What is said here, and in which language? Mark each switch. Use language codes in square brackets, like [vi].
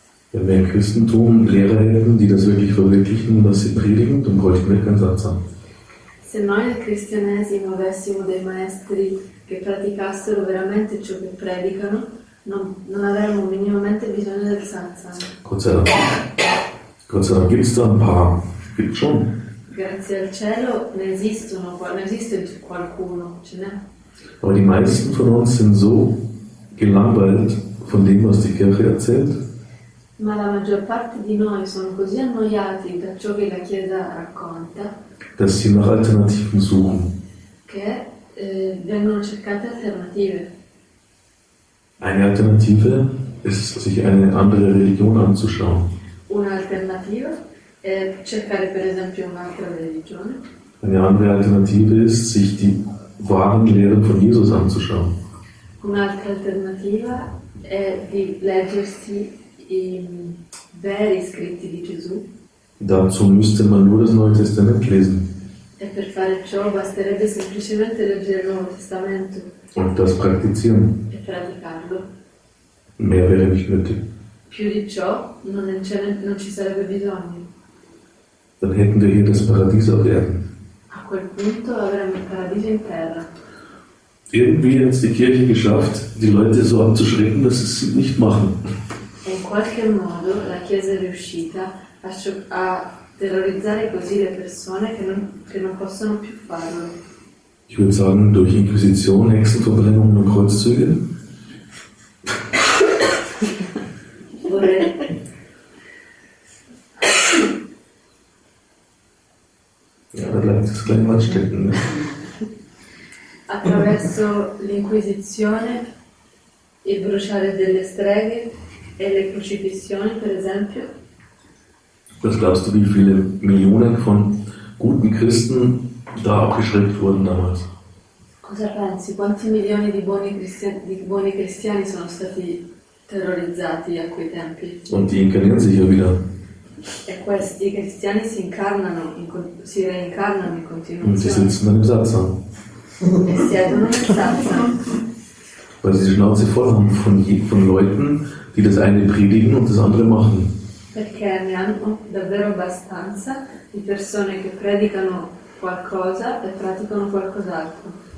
[de] Wenn wir im Christentum Lehrer hätten, die das wirklich verwirklichen, was sie predigen, dann bräuchten wir keinen Satsang. [it] Se noi nel cristianesimo avessimo dei maestri che praticassero veramente ciò che predicano, non avremmo minimamente bisogno del satsang. [de] Gott sei Dank gibt es da ein paar. Gibt schon. [it] Grazie al cielo ne esiste qualcuno, ce n'è. [de] Aber die meisten von uns sind so gelangweilt von dem, was die Kirche erzählt. [it] Ma la maggior parte di noi sono così annoiati da ciò che la Chiesa racconta, [de] dass sie nach Alternativen suchen. [it] Che vengono cercate alternative. [de] Eine Alternative ist, sich eine andere Religion anzuschauen. [it] Un'alternativa è cercare per esempio un'altra religione. [de] Eine andere Alternative ist, sich die wahren Lehren von Jesus anzuschauen. [it] Un'altra alternativa è di leggersi i veri scritti di Gesù. [de] Dazu müsste man nur das Neue Testament lesen. [it] E per fare ciò basterebbe semplicemente leggere il Nuovo Testamento. [de] Und das praktizieren. [it] E praticarlo. [de] Mehr wäre nicht nötig. [it] Più di ciò non ci sarebbe bisogno. [de] Dann hätten wir hier das Paradies auf Erden. [it] A quel punto avremmo il paradiso in terra. [de] Irgendwie hat es die Kirche geschafft, die Leute so anzuschrecken, dass sie es nicht machen. [it] In qualche modo la Chiesa è riuscita a terrorizzare così le persone che non possono più farlo. [de] Ich würde sagen, durch Inquisition, Hexenverbrennungen und Kreuzzüge. Ja, da bleibt das kleine Mal stecken. Ne? [it] Attraverso l'Inquisizione, il bruciare delle streghe e le crocifissioni, per esempio. [de] Was glaubst du, wie viele Millionen von guten Christen da abgeschreckt wurden damals? [it] Cosa pensi? Quanti milioni di buoni cristiani sono stati terrorizzati a quei tempi? [de] Und die inkarnieren sich ja wieder. [it] E questi cristiani si incarnano, si reincarnano in continuazione. [de] Und sie sitzen dann im Satz an. [it] E siedono in Satz an. [de] Weil sie die Schnauze voll haben von Leuten, die das eine predigen und das andere machen. [it] Perché ne hanno davvero abbastanza di persone che predicano qualcosa e praticano qualcos'altro.